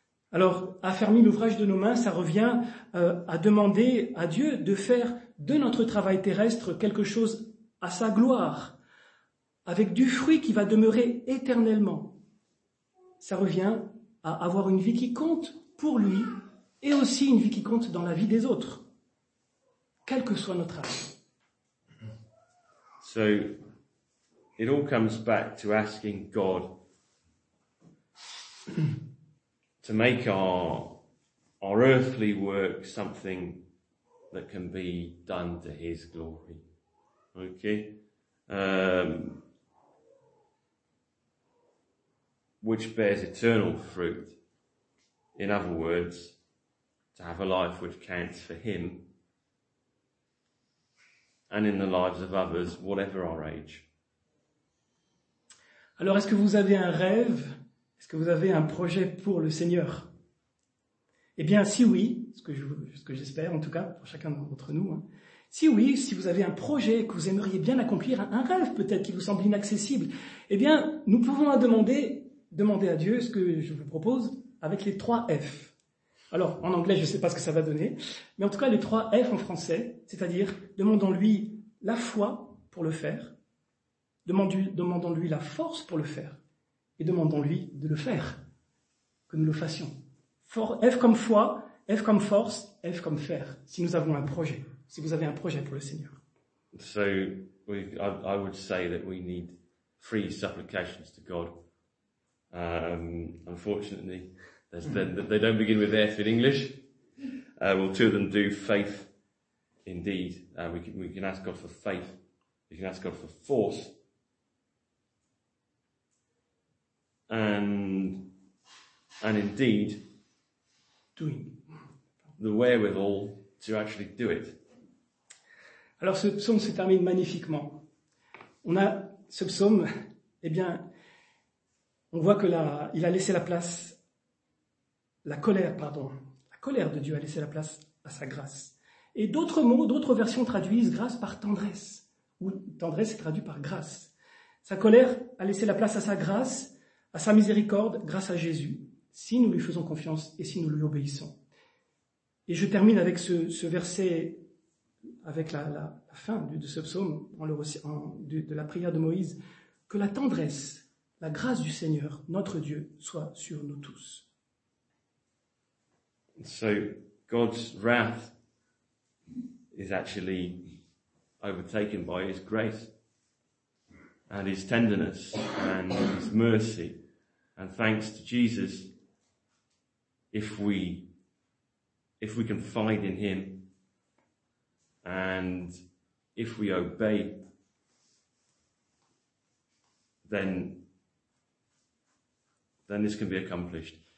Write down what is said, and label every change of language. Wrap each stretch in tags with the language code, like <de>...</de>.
<fr>Alors, affermir l'ouvrage de nos mains, ça revient à demander à Dieu de faire de notre travail terrestre quelque chose à sa gloire, avec du fruit qui va demeurer éternellement. Ça revient à avoir une vie qui compte pour lui et aussi une vie qui compte dans la vie des autres, quel que soit notre âge.</fr> <en>So, it all comes back to asking God to make our earthly work something that can be done to his glory. Okay? Which bears eternal fruit. In other words, to have a life which counts for him and in the lives of others, whatever our age.</en> <fr>Alors, est-ce que vous avez un rêve? Est-ce que vous avez un projet pour le Seigneur? Eh bien, si oui, ce que j'espère en tout cas pour chacun d'entre nous, hein. Si oui, si vous avez un projet que vous aimeriez bien accomplir, un rêve peut-être qui vous semble inaccessible, eh bien, nous pouvons demander à Dieu ce que je vous propose avec les trois F. Alors, en anglais, je ne sais pas ce que ça va donner, mais en tout cas, les trois F en français, c'est-à-dire demandons-lui la foi pour le faire, demandons-lui la force pour le faire, et demandons-lui de le faire, que nous le fassions. F comme foi, F comme force, F comme faire, si nous avons un projet, si vous avez un projet pour le Seigneur.</fr> <en>So, I would say that we need three supplications to God. Unfortunately, they don't begin with F in English. Well, two of them do, faith, indeed. We can ask God for faith. We can ask God for force. And indeed, doing. The wherewithal to actually do it.</en> <fr>Alors ce psaume se termine magnifiquement. On a ce psaume, eh bien, on voit que là, il a laissé la place, la colère de Dieu a laissé la place à sa grâce. Et d'autres mots, d'autres versions traduisent grâce par tendresse, ou tendresse est traduit par grâce. Sa colère a laissé la place à sa grâce, à sa miséricorde, grâce à Jésus, si nous lui faisons confiance et si nous lui obéissons. Et je termine avec ce verset, avec la fin de ce psaume, de la prière de Moïse, que la tendresse, la grâce du Seigneur, notre Dieu, soit sur nous tous.</fr> <en>So, God's wrath is actually overtaken by his grace and his tenderness and his mercy. And thanks to Jesus, if we confide in him and if we obey, then this can be accomplished.</en>